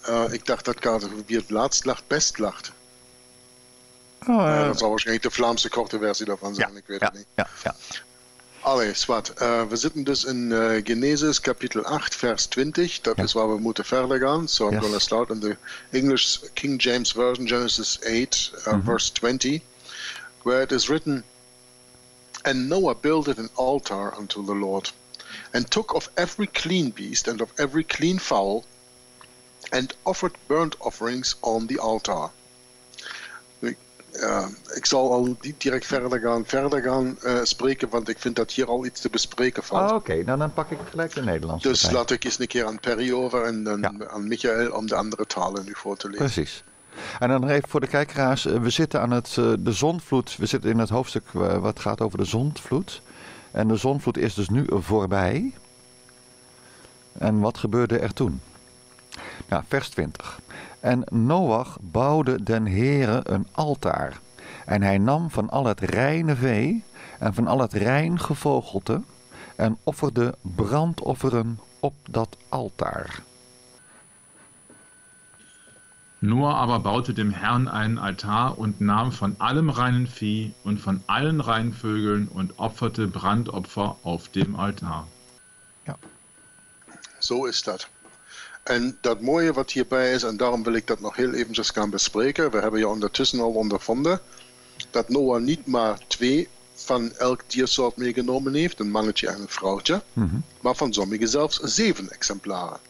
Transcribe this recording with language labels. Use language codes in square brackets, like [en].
[nl] Ik dacht dat Karel, wie het laatst lacht, best lacht. Dat zou waarschijnlijk de Vlaamse korte versie daarvan zijn, ik weet het niet. Allee, zwart. We zitten dus in Genesis kapitel 8, vers 20. Dat is waar we moeten verder gaan. [en] So I'm going to start in the English King James Version, Genesis 8, verse 20, where it is written, "And Noah builded an altar unto the Lord, and took of every clean beast and of every clean fowl, and offered burnt offerings on the altar." [nl] Ik zal al niet direct verder gaan spreken, want ik vind dat hier al iets te bespreken valt. Dan pak ik gelijk de Nederlandse. Dus laat ik eens een keer aan Perry over en dan aan Michael om de andere talen nu voor te lezen. Precies. En dan even voor de kijkeraars, we zitten aan de zondvloed. We zitten in het hoofdstuk wat gaat over de zondvloed. En de zondvloed is dus nu voorbij. En wat gebeurde er toen? Nou, vers 20. En Noach bouwde den Heere een altaar. En hij nam van al het reine vee en van al het rein gevogelte en offerde brandofferen op dat altaar. [de] Noach aber baute dem Herrn einen Altar und nahm von allem reinen Vieh und von allen reinen Vögeln und opferte Brandopfer auf dem Altar. Ja. So ist das. [nl] En dat mooie wat hierbij is, en daarom wil ik dat nog heel eventjes gaan bespreken. We hebben je ondertussen al ondervonden dat Noah niet maar twee van elk diersoort meegenomen heeft, een mannetje en een vrouwtje, maar van sommigen zelfs zeven exemplaren.